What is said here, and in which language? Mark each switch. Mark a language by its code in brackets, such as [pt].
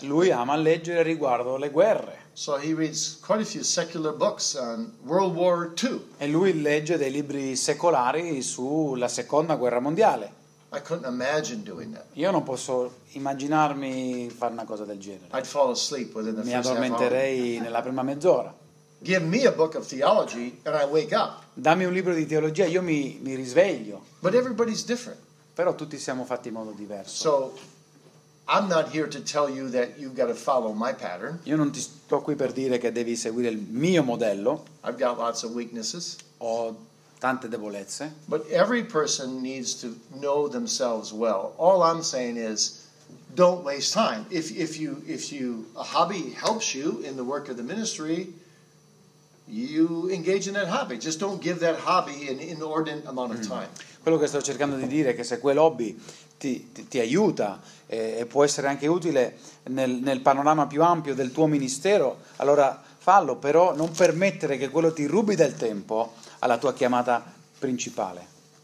[it] Lui ama leggere riguardo le guerre. [en] So he reads quite a few secular books on World War II. [it] E lui legge dei libri secolari sulla Seconda Guerra Mondiale. [en] I couldn't imagine doing that. [it] Io non posso immaginarmi fare una cosa del genere. [en] I'd fall asleep within the first half hour. [it] Mi addormenterei nella prima mezz'ora. [en] Give me a book of theology and I wake up. [it] Dammi un libro di teologia e io mi risveglio. [en] But everybody's different. [it] Però tutti siamo fatti in modo diverso. [en] So I'm not here to tell you that you've got to follow my pattern. [it] Io non ti sto qui per dire che devi seguire il mio modello. [en] I've got lots of weaknesses. [it] Ho tante debolezze. [en] But every person needs to know themselves well. All I'm saying is don't waste time. If a hobby helps you in the work of the ministry, you engage in that hobby. Just don't give that hobby an inordinate amount of time. [it] Quello che sto cercando di dire è che se quell'hobby ti aiuta e può essere anche utile nel panorama più ampio del tuo ministero, allora fallo, però non permettere che quello ti rubi del tempo alla tua chiamata principale.